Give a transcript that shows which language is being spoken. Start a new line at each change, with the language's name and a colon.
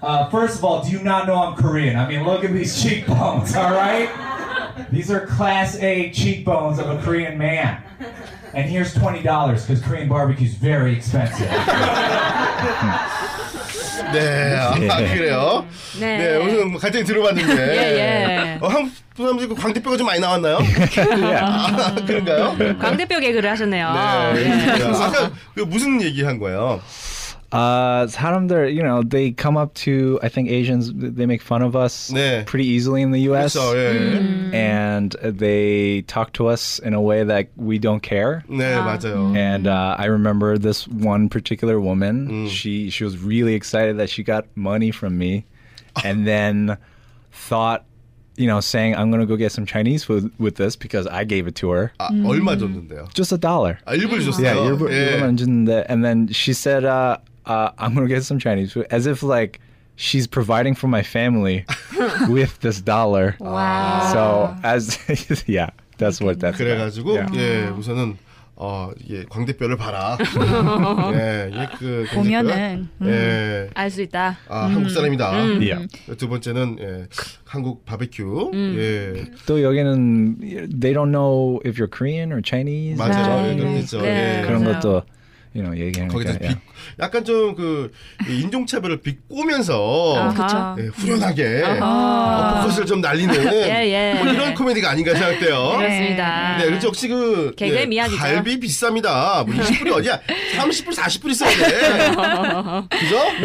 English: First of all, do you not know I'm Korean? I mean, look at these cheekbones. All right, these are class A cheekbones of a Korean man. And here's $20 because Korean barbecue is very expensive."
Korean: 네, 아, 그래요. 네, 네 오늘 간단히 들어봤는데 한국 사람들 그 광대뼈가 좀 많이 나왔나요? 아, 그런가요? 광대뼈 개그를 하셨네요. 네, 아까 그 무슨 얘기한 거예요? 사람들,
English: you know, they come up to, I think Asians, they make fun of us
Korean: 네.
English: pretty easily in the U.S.
Korean: 그렇죠, 예, 예.
English: And they talk to us in a way that we don't care.
Korean: 네, 맞아요.
English: And I remember this one particular woman, she was really excited that she got money from me and then thought, you know, saying, "I'm going to go get some Chinese food with this because I gave it to her."
Korean: 아, 얼마 줬는데요?
English: Just a dollar.
Korean: 아, 일부러 줬어요? Yeah, 일부러 줬는데.
English: And then she said, I'm gonna get some Chinese food, as if like she's providing for my family with this dollar. Wow. So as yeah, that's what that's.
Korean: 그래가지고 예 우선은 어 이게 광대뼈를 봐라. 예, 예 그 보면은 예 알 수 있다. 아 한국 사람이다.
English: Yeah.
Korean: 두 번째는 예 한국 바베큐. 예. 또 여기는
English: they don't know if you're Korean or Chinese.
Korean: 맞아요. 그렇죠. 예. 그런 것도.
English: You know,
Korean: 얘기하니까, 거기다 빛, yeah. 약간 좀 그 인종차별을 비꼬면서 네, 후련하게 포커스를 좀 날리는 뭐 이런 코미디가 아닌가 생각돼요. 그렇습니다. 네, 그렇죠. 혹시 그 개그의 미학이죠. 갈비 비쌉니다. 뭐 20불이 어디야? 30불, 40불 있어야 돼. 그죠?